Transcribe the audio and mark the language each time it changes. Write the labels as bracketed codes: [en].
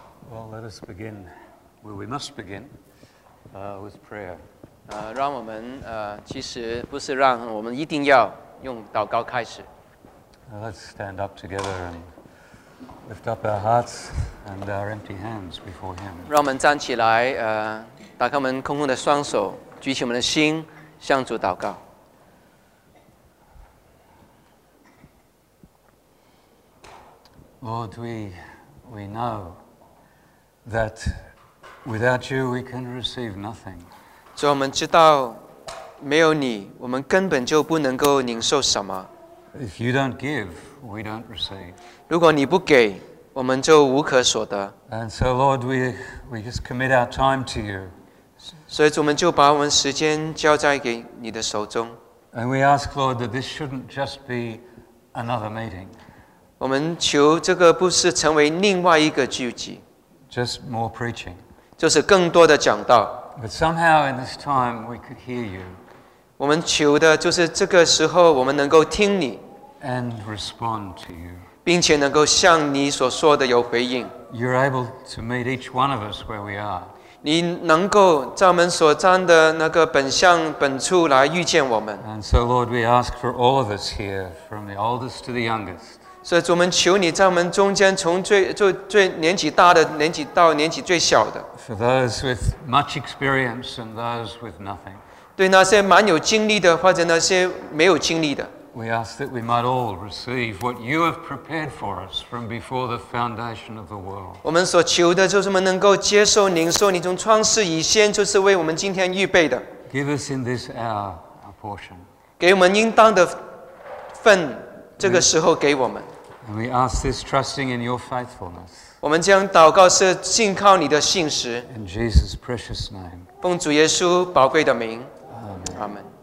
[en] Well, let us begin where we must begin, with prayer. [zh] 让我们其实不是让我们一定要用祷告开始。 [en] Let's stand up together and lift up our hearts and our empty hands before Him. [zh] 让我们站起来，打开我们空空的双手，举起我们的心，向主祷告。 [en] Lord, we know that without you we can receive nothing. [zh] 主，我们知道没有你，我们根本就不能够领受什么。 [en] If you don't give, we don't receive. [zh] 如果你不给，我们就无可所得。 [en] And so, Lord, we just commit our time to you. [zh] 所以主，我们就把我们时间交在给你的手中。 [en] And we ask, Lord, that this shouldn't just be another meeting. [zh] 我们求这个不是成为另外一个聚集。 [en] Just more preaching. [zh] 就是更多的讲道。 [en] But somehow in this time we could hear you. [zh] 我们求的就是这个时候我们能够听你。 [en] And respond to you. [zh] 并且能够像你所说的有回应。 [en] You're able to meet each one of us where we are. [zh] 你能够在我们所站的那个本相本处来遇见我们。 [en] And so Lord, we ask for all of us here, from the oldest to the youngest. [zh] 所以我们求你在我们中间，从最年纪大的年纪到年纪最小的。 [en] For those with much experience and those with nothing. [zh] 对那些蛮有经历的，或者那些没有经历的。 [en] We ask that we might all receive what you have prepared for us from before the foundation of the world. [zh] 我们所求的就是我们能够接受您说你从创世以先就是为我们今天预备的。 [en] Give us in this hour a portion. [zh] 给我们应当的份，这个时候给我们。 [en] And we ask this trusting in your faithfulness. [zh] 我们将祷告是信靠你的信实。 [en] In Jesus' precious name. [zh] 奉主耶稣宝贵的名。 [en] Amen. Amen.